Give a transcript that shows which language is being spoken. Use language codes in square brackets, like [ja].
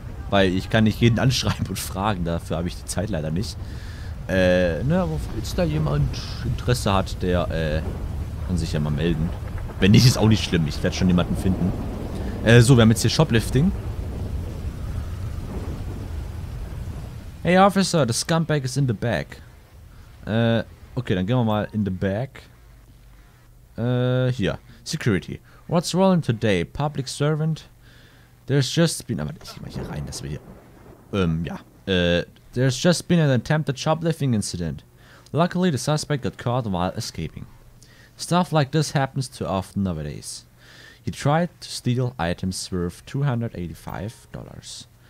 [de] Weil ich kann nicht jeden anschreiben und fragen, dafür habe ich die Zeit leider nicht. Aber falls da jemand Interesse hat, der kann sich ja mal melden. Wenn nicht, ist auch nicht schlimm, ich werde schon jemanden finden. So, wir haben jetzt hier Shoplifting. [en] Hey Officer, the scumbag is in the bag. [de] Okay, dann gehen wir mal [en] in the bag. Hier. Security. What's wrong today? Public servant. There's just been... [de] Aber ich geh mal hier rein, dass wir hier... [en] There's just been an attempted shoplifting incident. Luckily, the suspect got caught while escaping. Stuff like this happens too often nowadays. He tried to steal items worth $285.